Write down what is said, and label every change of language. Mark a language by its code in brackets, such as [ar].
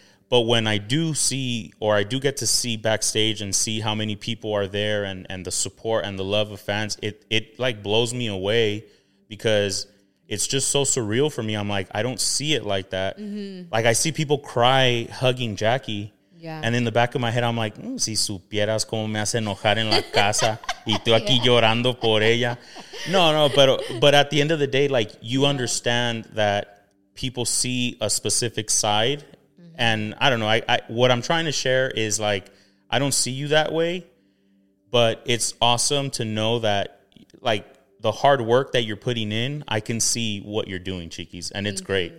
[en] But when I do see, or I do get to see backstage and see how many people are there, and the support and the love of fans, it like blows me away, because it's just so surreal for me. I'm like, I don't see it like that. Mm-hmm. Like, I see people cry hugging Jackie. Yeah. And in the back of my head, I'm like, [es] si supieras cómo me hace enojar en la casa y tú aquí llorando por ella. [en] No, but at the end of the day, like, you understand that people see a specific side. Mm-hmm. And I don't know, I what I'm trying to share is, like, I don't see you that way, but it's awesome to know that, like, the hard work that you're putting in, I can see what you're doing, Cheekies, and it's great.